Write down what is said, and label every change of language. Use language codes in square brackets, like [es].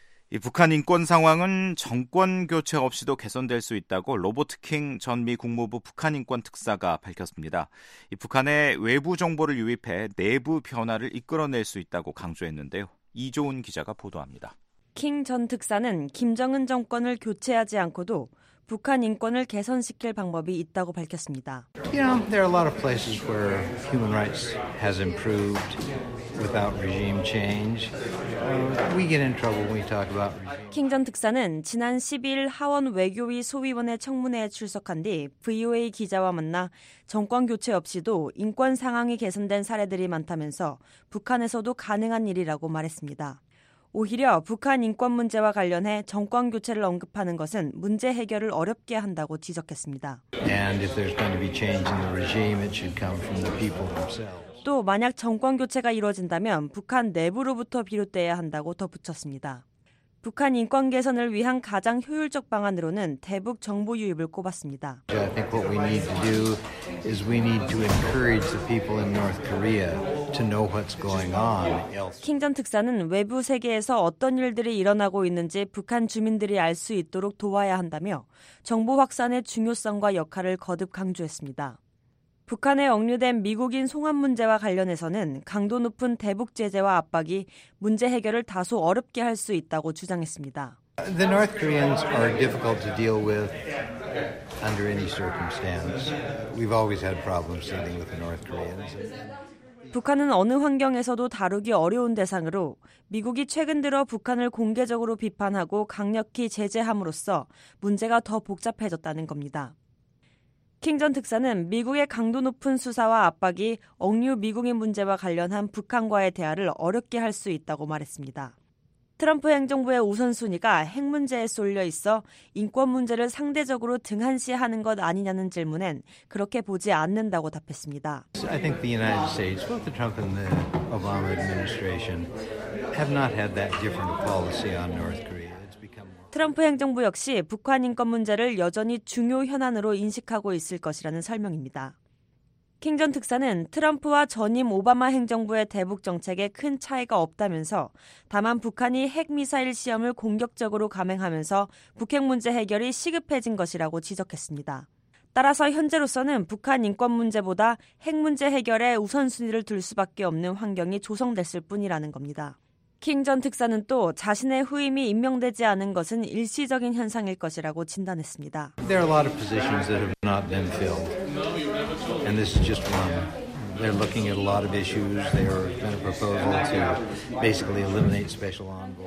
[ko] 이 북한 인권 상황은 정권 교체 없이도 개선될 수 있다고 로버트 킹 전 미 국무부 북한 인권 특사가 밝혔습니다. 이 북한에 외부 정보를 유입해 내부 변화를 이끌어낼 수 있다고 강조했는데요. 이조은 기자가 보도합니다. 킹 전 특사는 김정은 정권을 교체하지 않고도 북한 인권을 개선시킬 방법이 있다고 밝혔습니다. [en] You know, there are a lot of places where human rights has improved without regime change. We get in trouble when we talk about. [ko] 킹 전 특사는 지난 12일 하원 외교위 소위원회 청문회에 출석한 뒤 VOA 기자와 만나 정권 교체 없이도 인권 상황이 개선된 사례들이 많다면서 북한에서도 가능한 일이라고 말했습니다. 오히려 북한 인권 문제와 관련해 정권 교체를 언급하는 것은 문제 해결을 어렵게 한다고 지적했습니다. [en] And if there's going to be change in the regime, it should come from the people themselves. [ko] 또 만약 정권 교체가 이루어진다면 북한 내부로부터 비롯돼야 한다고 덧붙였습니다. 북한 인권 개선을 위한 가장 효율적 방안으로는 대북 정보 유입을 꼽았습니다. [en] I think what we need to do is we need to encourage the people in North Korea to know what's going on. [ko] 킹 전 특사는 외부 세계에서 어떤 일들이 일어나고 있는지 북한 주민들이 알 수 있도록 도와야 한다며 정보 확산의 중요성과 역할을 거듭 강조했습니다. 북한에 억류된 미국인 송환 문제와 관련해서는 강도 높은 대북 제재와 압박이 문제 해결을 다소 어렵게 할 수 있다고 주장했습니다. [en] The North Koreans are difficult to deal with under any circumstance. We've always had problems dealing with the North Koreans. [ko] 북한은 어느 환경에서도 다루기 어려운 대상으로 미국이 최근 들어 북한을 공개적으로 비판하고 강력히 제재함으로써 문제가 더 복잡해졌다는 겁니다. 킹 전 특사는 미국의 강도 높은 수사와 압박이 억류 미국인 문제와 관련한 북한과의 대화를 어렵게 할 수 있다고 말했습니다. 트럼프 행정부의 우선순위가 핵 문제에 쏠려 있어 인권 문제를 상대적으로 등한시하는 것 아니냐는 질문엔 그렇게 보지 않는다고 답했습니다. [en] I think the United States, both the Trump and the Obama administration, have not had that different policy on North Korea. [ko] 트럼프 행정부 역시 북한 인권 문제를 여전히 중요 현안으로 인식하고 있을 것이라는 설명입니다. 킹 전 특사는 트럼프와 전임 오바마 행정부의 대북 정책에 큰 차이가 없다면서 다만 북한이 핵미사일 시험을 공격적으로 감행하면서 북핵 문제 해결이 시급해진 것이라고 지적했습니다. 따라서 현재로서는 북한 인권 문제보다 핵 문제 해결에 우선순위를 둘 수밖에 없는 환경이 조성됐을 뿐이라는 겁니다. 킹 전 특사는 또 자신의 후임이 임명되지 않은 것은 일시적인 현상일 것이라고 진단했습니다. [en] There are a lot of positions that have not been filled. And this is just one. They're looking at a lot of issues. They are going to propose to basically eliminate special envoy.